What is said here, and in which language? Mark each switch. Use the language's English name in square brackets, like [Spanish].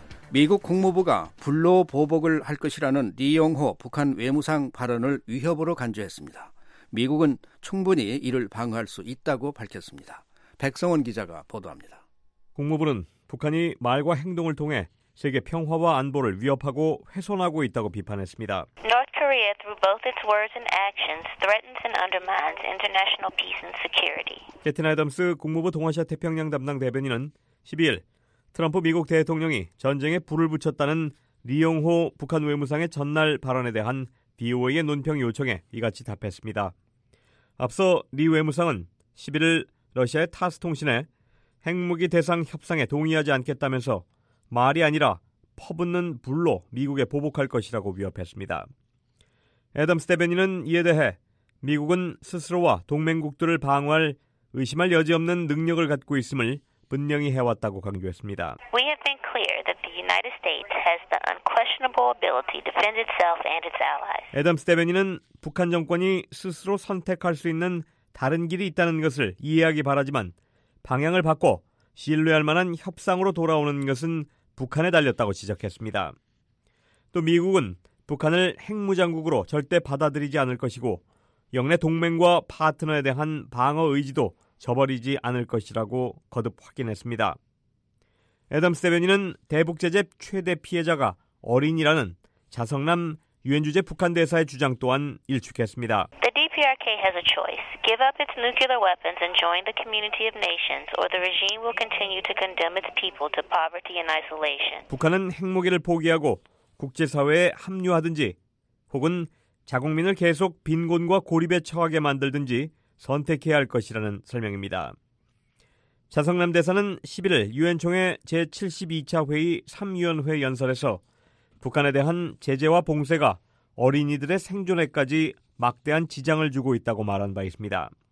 [Korean] 미국 국무부가 불로 보복을 할 것이라는 리용호 북한 외무상 발언을 위협으로 간주했습니다. 미국은 충분히 이를 방어할 수 있다고 밝혔습니다. 백성원 기자가 보도합니다. 국무부는 북한이 말과 행동을 통해 세계 평화와 안보를 위협하고 훼손하고 있다고 비판했습니다. [English] North Korea through both its words and actions threatens and undermines international peace and security. [Korean] 캐튼 애덤스 국무부 동아시아 태평양 담당 대변인은 12일 트럼프 미국 대통령이 전쟁에 불을 붙였다는 리용호 북한 외무상의 전날 발언에 대한 BOA의 논평 요청에 이같이 답했습니다. 앞서 리 외무상은 11일 러시아의 타스 통신에 핵무기 대상 협상에 동의하지 않겠다면서 말이 아니라 퍼붓는 불로 미국에 보복할 것이라고 위협했습니다. 애덤스 대변인은 이에 대해 미국은 스스로와 동맹국들을 방어할 의심할 여지 없는 능력을 갖고 있음을 분명히 해왔다고 강조했습니다. [English] We have been clear that the United States has the unquestionable ability to defend itself and its allies. [Korean] 애덤스 대변인은 북한 정권이 스스로 선택할 수 있는 다른 길이 있다는 것을 이해하기 바라지만 방향을 바꿔 신뢰할 만한 협상으로 돌아오는 것은 북한에 달렸다고 지적했습니다. 또 미국은 북한을 핵무장국으로 절대 받아들이지 않을 것이고 영내 동맹과 파트너에 대한 방어 의지도 저버리지 않을 것이라고 거듭 확인했습니다. 애덤스 대변인은 대북제재 최대 피해자가 어린이라는 자성남 유엔 주재 북한 대사의 주장 또한 일축했습니다. [English] The DPRK has a choice. Give up its nuclear weapons and join the community of nations, or the regime will continue to condemn its people to poverty and isolation. [Korean] 북한은 핵무기를 포기하고 국제사회에 합류하든지, 혹은 자국민을 계속 빈곤과 고립에 처하게 만들든지 선택해야 할 것이라는 설명입니다. 자성남 대사는 11일 유엔총회 제72차 회의 3위원회 연설에서 북한에 대한 제재와 봉쇄가 어린이들의 생존에까지 막대한 지장을 주고 있다고 말한 바 있습니다.